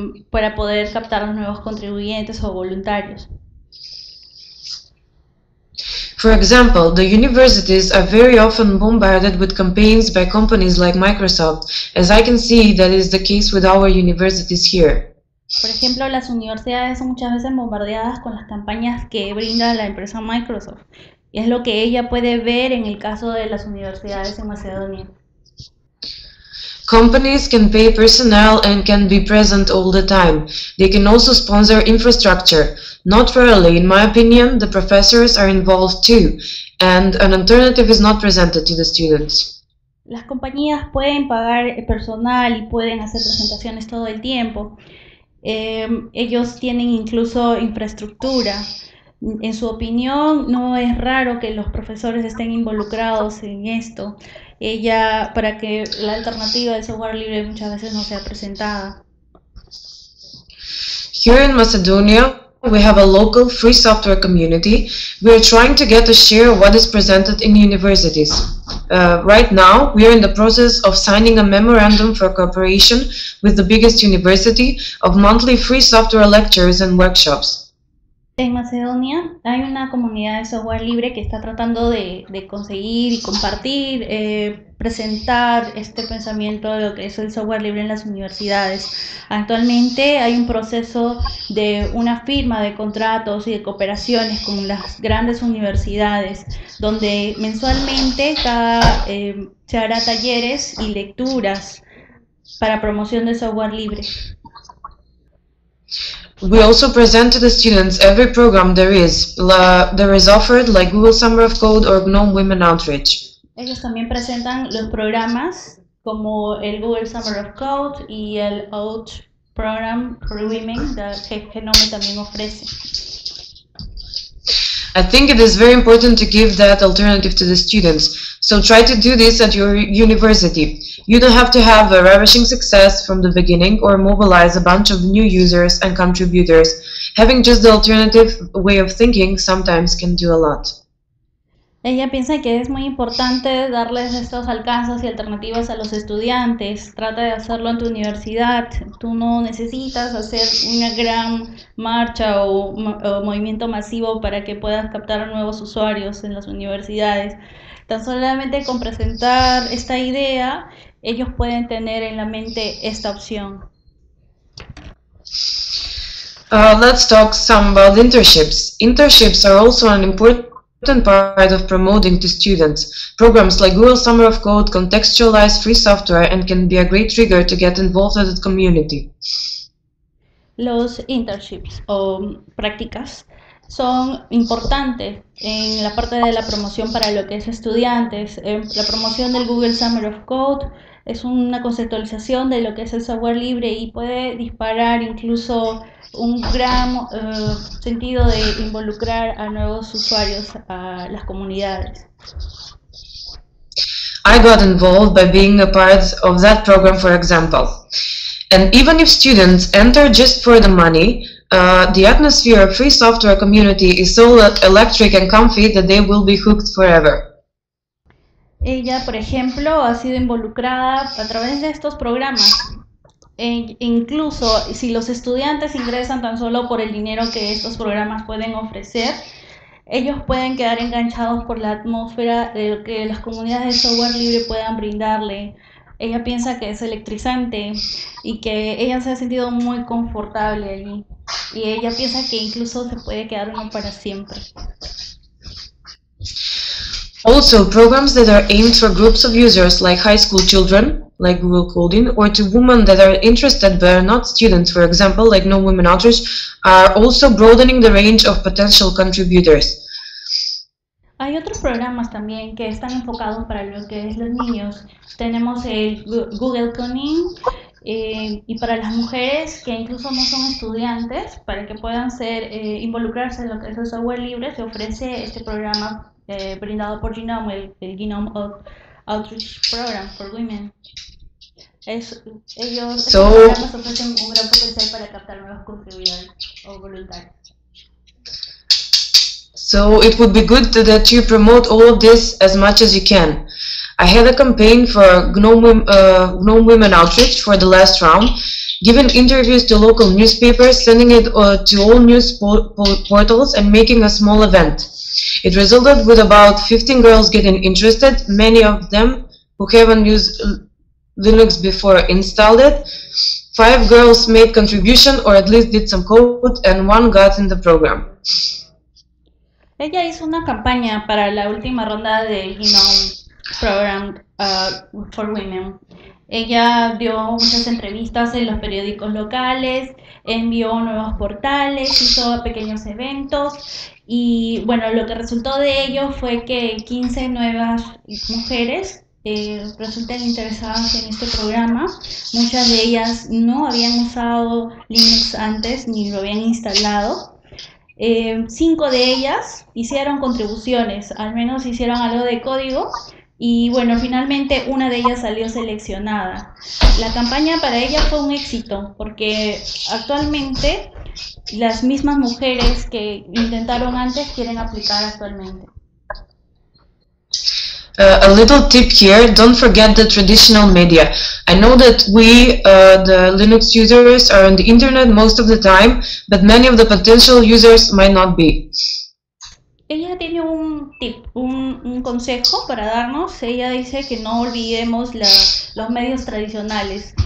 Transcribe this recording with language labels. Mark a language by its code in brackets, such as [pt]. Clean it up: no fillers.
[es] Para poder captar los nuevos contribuyentes o voluntarios. [en] For example, the universities are very often bombarded with campaigns by companies like Microsoft, as I can see that is the case with our universities here. [es] Por ejemplo, las universidades son muchas veces bombardeadas con las campañas que brinda la empresa Microsoft, y es lo que ella puede ver en el caso de las universidades en Macedonia. [en] Companies can pay personnel and can be present all the time. They can also sponsor infrastructure. Not rarely, in my opinion, the professors are involved too, and an alternative is not presented to the students. [es] Las compañías pueden pagar personal y pueden hacer presentaciones todo el tiempo. Ellos tienen incluso infraestructura. En su opinión, no es raro que los profesores estén involucrados en esto. Ella, para que la alternativa del software libre muchas veces no sea presentada. [en] Here in Macedonia, we have a local free software community. We are trying to get a share of what is presented in universities. Right now, we are in the process of signing a memorandum for cooperation with the biggest university of monthly free software lectures and workshops. [es] En Macedonia hay una comunidad de software libre que está tratando de conseguir y compartir, presentar este pensamiento de lo que es el software libre en las universidades. Actualmente hay un proceso de una firma de contratos y de cooperaciones con las grandes universidades, donde mensualmente se hará talleres y lecturas para promoción de software libre. [en] We also present to the students every program there is. There is offered like Google Summer of Code or GNOME Women Outreach. [es] Ellos también presentan los programas como el Google Summer of Code y el Outreach Program for Women que GNOME también ofrece. [en] I think it is very important to give that alternative to the students. So try to do this at your university. You don't have to have a ravishing success from the beginning or mobilize a bunch of new users and contributors. Having just the alternative way of thinking sometimes can do a lot. [es] Ella piensa que es muy importante darles estos alcances y alternativas a los estudiantes. Trata de hacerlo en tu universidad. Tú no necesitas hacer una gran marcha o movimiento masivo para que puedas captar a nuevos usuarios en las universidades. Tan solamente con presentar esta idea, ellos pueden tener en la mente esta opción. [en] Let's talk some about internships. Internships are also an important part of promoting to students. Programs like Google Summer of Code contextualize free software and can be a great trigger to get involved in the community. [es] Los internships o prácticas son importantes en la parte de la promoción para lo que es estudiantes. La promoción del Google Summer of Code es una conceptualización de lo que es el software libre y puede disparar incluso un gran sentido de involucrar a nuevos usuarios, a las comunidades. [en] I got involved by being a part of that program, for example. And even if students enter just for the money, the atmosphere of free software community is so electric and comfy that they will be hooked forever. [es] Ella, por ejemplo, ha sido involucrada a través de estos programas. Incluso si los estudiantes ingresan tan solo por el dinero que estos programas pueden ofrecer, ellos pueden quedar enganchados por la atmósfera de lo que las comunidades de software libre puedan brindarle Ella piensa que es electrizante y que ella se ha sentido muy confortable allí. Y ella piensa que incluso se puede quedar uno para siempre. [en] Also, programs that are aimed for groups of users like high school children, like Google Coding, or to women that are interested but are not students, for example, like No Women Authors, are also broadening the range of potential contributors. [es] Hay otros programas también que están enfocados para lo que es los niños. Tenemos el Google Coding y para las mujeres que incluso no son estudiantes, para que puedan ser involucrarse en lo que es el software libre, se ofrece este programa brindado por Genome, el Genome of Outreach Program for Women. Estos programas ofrecen un gran potencial para captar nuevos contribuidores o voluntarios. [en] So it would be good that you promote all of this as much as you can. I had a campaign for GNOME Women Outreach for the last round, giving interviews to local newspapers, sending it to all news portals and making a small event. It resulted with about 15 girls getting interested, many of them who haven't used Linux before installed it. 5 girls made contribution or at least did some code and 1 got in the program. [es] Ella hizo una campaña para la última ronda del Genome Program for Women. Ella dio muchas entrevistas en los periódicos locales, envió nuevos portales, hizo pequeños eventos y bueno, lo que resultó de ello fue que 15 nuevas mujeres resulten interesadas en este programa. Muchas de ellas no habían usado Linux antes ni lo habían instalado. 5 de ellas hicieron contribuciones, al menos hicieron algo de código y bueno, finalmente una de ellas salió seleccionada. La campaña para ella fue un éxito porque actualmente las mismas mujeres que intentaron antes quieren aplicar actualmente. [en] A little tip here, don't forget the traditional media. I know that we, the Linux users, are on the internet most of the time, but many of the potential users might not be. [es] Ella tiene un tip, un consejo para darnos. Ella dice que no olvidemos los medios tradicionales.